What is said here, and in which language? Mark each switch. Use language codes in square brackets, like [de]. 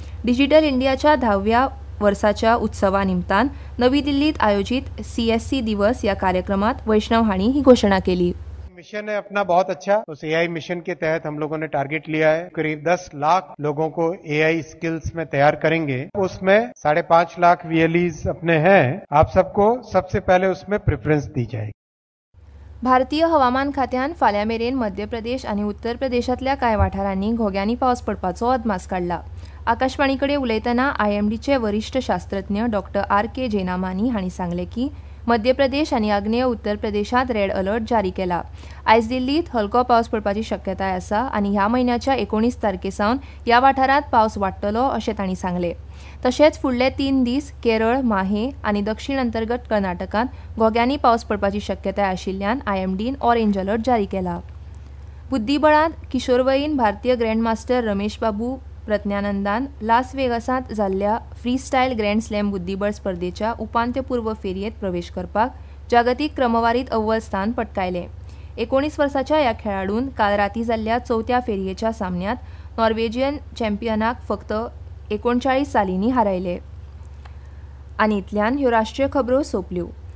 [kok] डिजिटल इंडियाच्या 10व्या वर्साच्या उत्सवा निमतान नवी दिल्लीत आयोजित CSC दिवस या कार्यक्रमात वैष्णव हांणी ही घोषणा केली. [hi] मिशन है अपना बहुत अच्छा. उस AI मिशन के तहत हम लोगों ने टारगेट लिया है करीब 1,000,000 लोगों को AI स्किल्स में तैयार करेंगे. उसमें 5.5 लाख VLEs अपने हैं, आप सबको सबसे पहले उसमें प्रेफरेंस दी जाएगी. [kok] भारतीय हवामान खात्यान फाल्यां मेरेन मध्य प्रदेश आनी उत्तर प्रदेशांतल्या कांय वाठारांनी घोग्यांनी पावस पडपाचो अदमास काडला. आकाशवाणी कडेन उलयतना IMD वरिष्ठ शास्त्रज्ञ डॉ RK जैनामानी हांणी सांगले की मध्य प्रदेश आनी आग्नेय उत्तर प्रदेशांत रेड अलर्ट जारी केला. आयज दिल्लीत हलको पावस पडपाची शक्यताय आसा आनी ह्या म्हयन्याच्या 19 तारखे सावन ह्या वाठारांत पावस वाडटलो अशें तांणी सांगले. तशेंच फुडले 3 दीस केरळ, माहे आनी दक्षिण अंतर्गत कर्नाटकांत घोग्यांनी पावस पडपाची शक्यताय आशिल्ल्यान IMD ऑरेंज अलर्ट जारी केला. बुद्धीबळांत किशोरवयीन भारतीय ग्रँडमास्टर रमेश बाबू प्रज्ञानंदान लास वेगसांत जाल्ल्या फ्रीस्टायल ग्रँड स्लॅम बुद्धीबळ स्पर्धेच्या उपांत्यपूर्व फेरयेंत प्रवेश करपाक जागतीक क्रमवारीत अव्वल स्थान पटकायले. 19 वर्साच्या ह्या खेळाडून काल राती जाल्ल्या 4थ्या फेरयेच्या सामन्यात नॉर्वेजियन चॅम्पियनाक फक्त 39 सालींनी हारायले. आनी इतल्यान ह्यो राष्ट्रीय खबरो सोपल्यो.